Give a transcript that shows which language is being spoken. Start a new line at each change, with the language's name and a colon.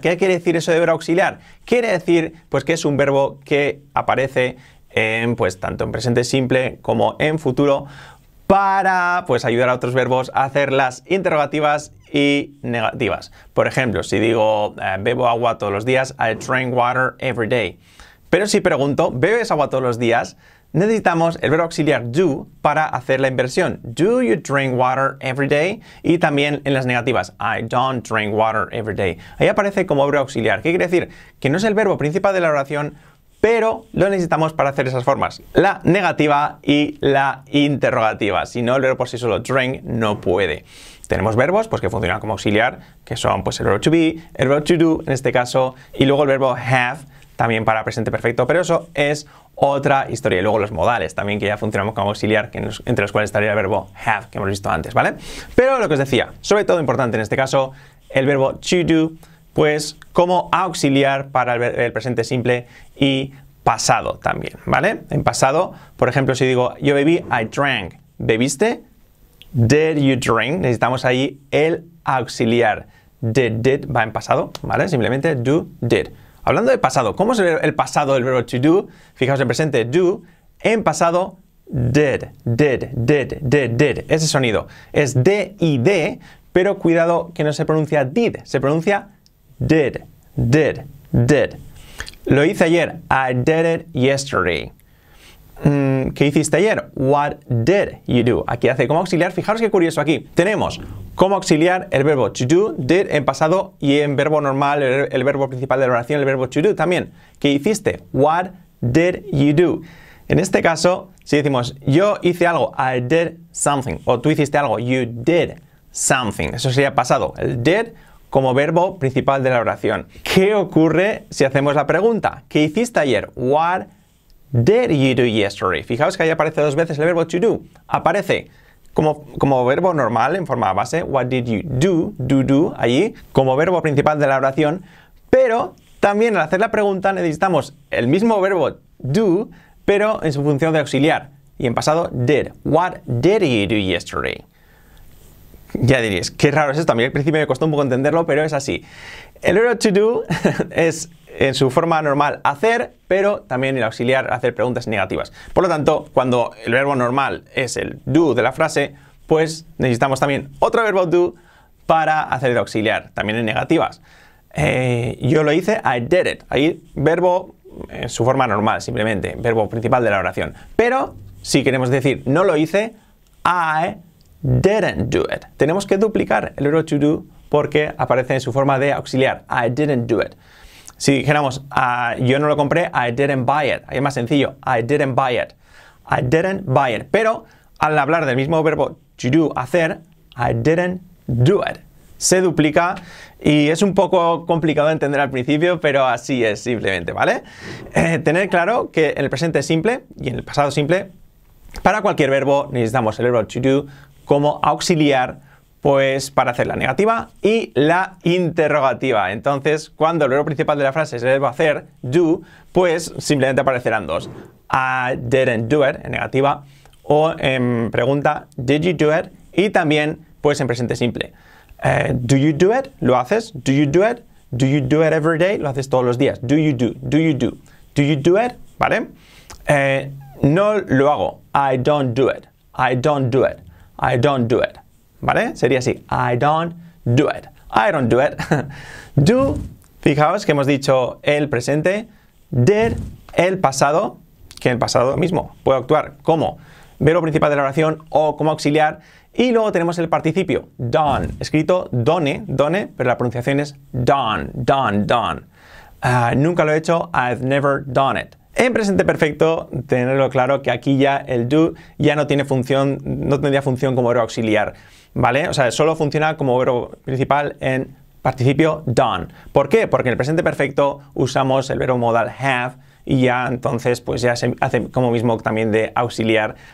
Spanish: ¿Qué quiere decir eso de verbo auxiliar? Quiere decir, pues, que es un verbo que aparece en, pues, tanto en presente simple como en futuro, para, pues, ayudar a otros verbos a hacer las interrogativas y negativas. Por ejemplo, si digo, bebo agua todos los días,
English: I drink water every day.
Spanish: Pero si pregunto, ¿bebes agua todos los días? Necesitamos el verbo auxiliar do para hacer la inversión.
English: Do you drink water every day?
Spanish: Y también en las negativas,
English: I don't drink water every day.
Spanish: Ahí aparece como verbo auxiliar. ¿Qué quiere decir? Que no es el verbo principal de la oración, pero lo necesitamos para hacer esas formas, la negativa y la interrogativa. Si no, el verbo por sí solo, drink, no puede. Tenemos verbos, pues, que funcionan como auxiliar, que son, pues, el verbo to be, el verbo to do, en este caso, y luego el verbo have, también para presente perfecto, pero eso es otra historia. Y luego los modales, también, que ya funcionamos como auxiliar, que entre los cuales estaría el verbo have, que hemos visto antes, ¿vale? Pero lo que os decía, sobre todo importante en este caso, el verbo to do, pues, como auxiliar para el presente simple y pasado también, ¿vale? En pasado, por ejemplo, si digo, yo bebí,
English: I drank.
Spanish: ¿Bebiste?
English: Did you drink?
Spanish: Necesitamos ahí el auxiliar. Did va en pasado, ¿vale? Simplemente do, did. Hablando de pasado, ¿cómo es el pasado del verbo to do? Fijaos en presente, do. En pasado,
English: did, did, did, did, did.
Spanish: Ese sonido es D y D, pero cuidado que no se pronuncia did, se pronuncia did, did, did. Lo hice ayer.
English: I did it yesterday.
Spanish: ¿Qué hiciste ayer?
English: What did you do?
Spanish: Aquí hace como auxiliar. Fijaros qué curioso aquí. Tenemos como auxiliar el verbo to do, did en pasado, y en verbo normal, el verbo principal de la oración, el verbo to do también. ¿Qué hiciste?
English: What did you do?
Spanish: En este caso, si decimos yo hice algo,
English: I did something,
Spanish: o tú hiciste algo,
English: you did something.
Spanish: Eso sería pasado. El did como verbo principal de la oración. ¿Qué ocurre si hacemos la pregunta? ¿Qué hiciste ayer?
English: What did you do yesterday?
Spanish: Fijaos que ahí aparece dos veces el verbo to do. Aparece como verbo normal, en forma base,
English: what did you do,
Spanish: do, do, allí, como verbo principal de la oración, pero también al hacer la pregunta necesitamos el mismo verbo do, pero en su función de auxiliar. Y en pasado, did.
English: What did you do yesterday?
Spanish: Ya diréis, qué raro es esto. A mí al principio me costó un poco entenderlo, pero es así. El verbo to do es, en su forma normal, hacer, pero también el auxiliar, hacer preguntas negativas. Por lo tanto, cuando el verbo normal es el do de la frase, pues necesitamos también otro verbo do para hacer el auxiliar, también en negativas. Yo lo hice,
English: I did it.
Spanish: Ahí, verbo en su forma normal, simplemente, verbo principal de la oración. Pero si queremos decir no lo hice,
English: I didn't do it.
Spanish: Tenemos que duplicar el verbo to do porque aparece en su forma de auxiliar.
English: I didn't do it.
Spanish: Si dijéramos yo no lo compré,
English: I didn't buy it.
Spanish: Ahí es más sencillo.
English: I didn't buy it. I didn't buy it.
Spanish: Pero al hablar del mismo verbo to do, hacer, I didn't do it. Se duplica y es un poco complicado de entender al principio, pero así es simplemente, ¿vale? Tener claro que en el presente simple y en el pasado simple, para cualquier verbo necesitamos el verbo to do como auxiliar, pues para hacer la negativa y la interrogativa. Entonces, cuando el verbo principal de la frase es el verbo hacer, do, pues simplemente aparecerán dos.
English: I didn't do it,
Spanish: en negativa, o en pregunta,
English: did you do it?
Spanish: Y también, pues en presente simple.
English: Do you do it?
Spanish: ¿Lo haces?
English: Do you do it? Do you do it every day?
Spanish: Lo haces todos los días.
English: Do you do? Do you do? Do you do it? ¿Vale?
Spanish: No lo hago.
English: I don't do it. I don't do it. I don't do it.
Spanish: ¿Vale? Sería así.
English: I don't do it. I don't do it.
Spanish: Do, fijaos que hemos dicho el presente. Did, el pasado, que en el pasado mismo puede actuar como verbo principal de la oración o como auxiliar. Y luego tenemos el participio, done, escrito done, done, pero la pronunciación es done, done, done. Nunca lo he hecho,
English: I've never done it.
Spanish: En presente perfecto, tenerlo claro que aquí ya el do ya no tiene función, no tendría función como verbo auxiliar, ¿vale? O sea, solo funciona como verbo principal en participio done. ¿Por qué? Porque en el presente perfecto usamos el verbo modal have y ya entonces pues ya se hace como mismo también de auxiliar.